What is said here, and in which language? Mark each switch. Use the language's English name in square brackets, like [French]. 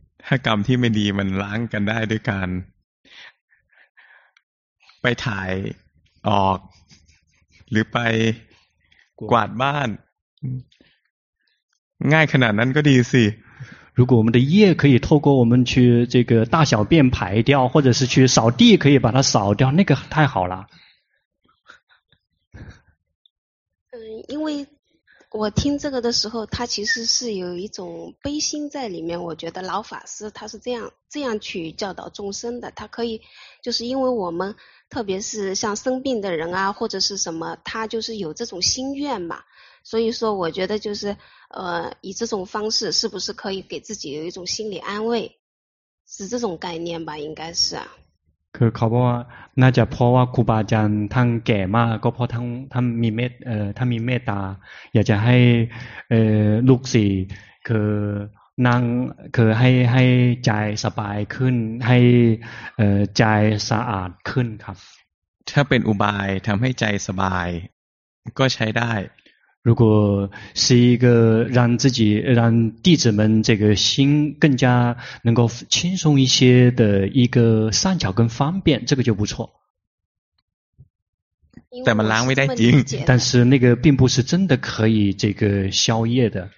[Thai] ถ้ากรรมที่ไม่ดีมันล้างกันได้ด้วยการไปถ่ายออกหรือไปกวาดบ้านง่ายขนาดนั้นก็ดีสิ [Chinese] 如果我们的业可以透过我们去这个大小便排掉，或者是去扫地可以把它扫掉，那个太好了。因为我听这个的时候，他其实是有一种悲心在里面。我觉得老法师他是这样去教导众生的，他可以就是因为我们特别是像生病的人啊或者是什么，他就是有这种心愿嘛，所以说我觉得就是以这种方式是不是可以给自己有一种心理安慰，是这种概念吧，应该是啊。 [Thai] คือเขาบอกว่าน่าจะเพราะว่าครูบาอาจารย์ท่านแก่มากก็เพราะท่านมีเมตตาอยากจะให้ลูกศิษย์คือนั่งคือให้ใจสบายขึ้นให้ใจสะอาดขึ้นครับ ถ้าเป็นอุบายทำให้ใจสบายก็ใช้ได้ [Chinese] 如果是一个让自己让弟子们这个心更加能够轻松一些的一个善巧跟方便，这个就不错。但嘛，难为的经，但是那个并不是真的可以这个消业的。